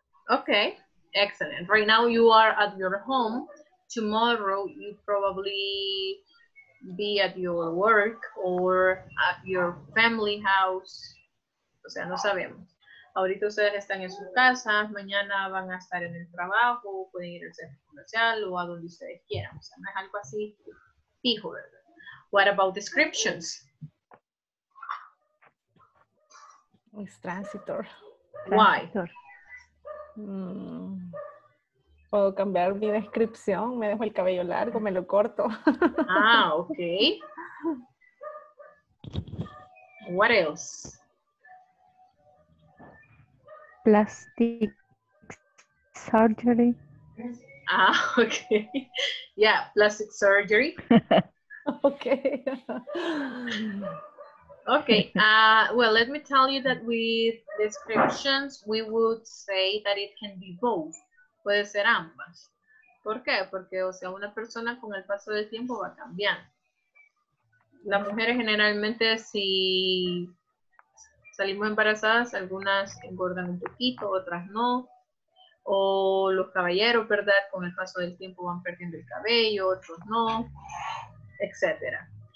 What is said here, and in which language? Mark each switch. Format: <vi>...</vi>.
<en>Okay, excellent. Right now you are at your home, tomorrow you probably be at your work or at your family house.</en> <es>O sea, no sabemos. Ahorita ustedes están en sus casas, mañana van a estar en el trabajo, pueden ir al centro comercial o a donde ustedes quieran. O sea, no es algo así fijo, ¿verdad?</es> <en>What about descriptions? It's transitor. Why?</en> <es>Puedo cambiar mi descripción, me dejo el cabello largo, me lo corto. Ah, ok.</es> <en>What else? Plastic surgery. Ah, ok. Yeah, plastic surgery. Ok. Okay, well, let me tell you that with descriptions, we would say that it can be both.</en> <es>Puede ser ambas. ¿Por qué? Porque, o sea, una persona con el paso del tiempo va cambiando. Las mujeres generalmente, si salimos embarazadas, algunas engordan un poquito, otras no. O los caballeros, ¿verdad? Con el paso del tiempo van perdiendo el cabello, otros no, etcétera.</es>